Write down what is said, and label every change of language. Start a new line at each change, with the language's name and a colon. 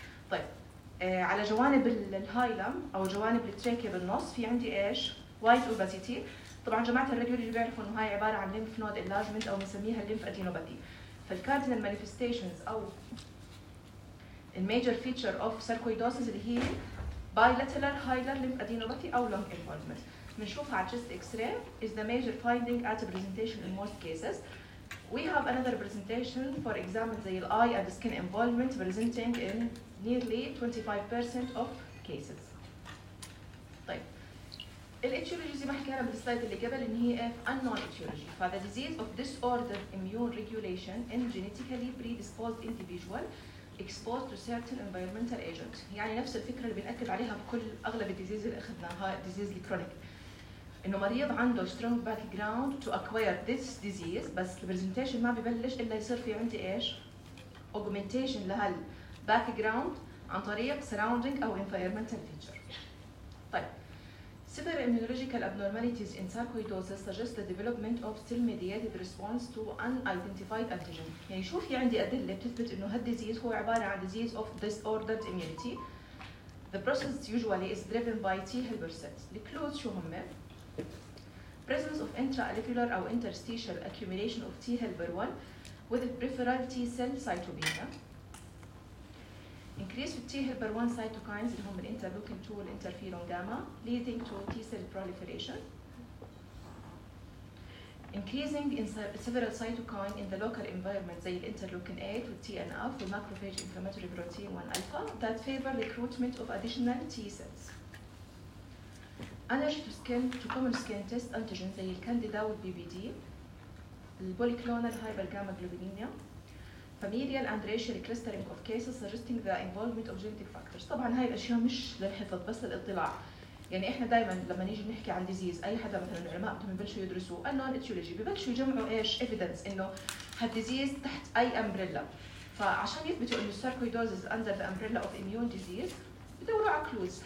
Arabic: طيب على جوانب الهايلم او جوانب التراكي بالنص في عندي ايش؟
English: White opacity.
Arabic: طبعا جماعه الراديولوجي بيعرفوا انه هاي عباره عن ليمف نود انلارجمنت او بنسميها الليمف ادينوباثي.
English: فالكاردينال مانيفيستيشنز او الميجر فيتشر اوف ساركويدوسيس
Arabic: اللي هي
English: bilateral hilar lymph adenopathy or lung involvement.
Arabic: بنشوفها على
English: chest x-ray is the major finding at a presentation in most cases. We have another presentation for example the eye and skin involvement presenting in nearly 25% of cases.
Arabic: طيب الاتيولوجي زي ما حكينا بالسلايد اللي قبل ان هي
English: unknown etiology. ف the disease of disordered immune regulation in genetically predisposed individual exposed to certain environmental agent.
Arabic: يعني نفس الفكره اللي بنأكد عليها بكل اغلب الديزيز اللي اخذناها ديزيز الكرونيك انه مريض عنده
English: strong background to acquire this disease
Arabic: بس البرزنتيشن ما ببلش الا يصير في عندي ايش augmentation لهال background عن طريق surrounding او environmental feature.
English: طيب several immunological abnormalities in sarcoidosis suggest the development of cell mediated response to unidentified antigen.
Arabic: يعني شو في عندي ادله بتثبت انه هالديزيز هو عباره عن
English: disease of disordered immunity. The process usually is driven by T helper cells. The clues
Arabic: شو هم؟
English: presence of intraepithelial or interstitial accumulation of T helper 1 with peripheral T cell cytopenia. Increase with T helper 1 cytokines in human interleukin 2 and interferon gamma leading to T cell proliferation. Increasing in several cytokines in the local environment say interleukin 8 with TNF with macrophage inflammatory protein 1 alpha that favor recruitment of additional T cells. Allergy to skin to common skin test antigens say candida with BBD, polyclonal hypergamma globulinemia. Familial and racial clustering of cases suggesting the involvement of genetic factors.
Arabic: طبعا هاي الاشياء مش للحفظ بس للاطلاع. يعني احنا دائما لما نيجي نحكي عن ديزيز اي حدا مثلا العلماء بدهم يبلشوا يدرسوا النون اتيولوجي ببلشوا يجمعوا ايش ايفيدنس انه هالديزيز تحت اي امبريلا. فعشان يثبتوا انه الساركويدوزز
English: under the umbrella of immune disease
Arabic: بدوروا على كلوز.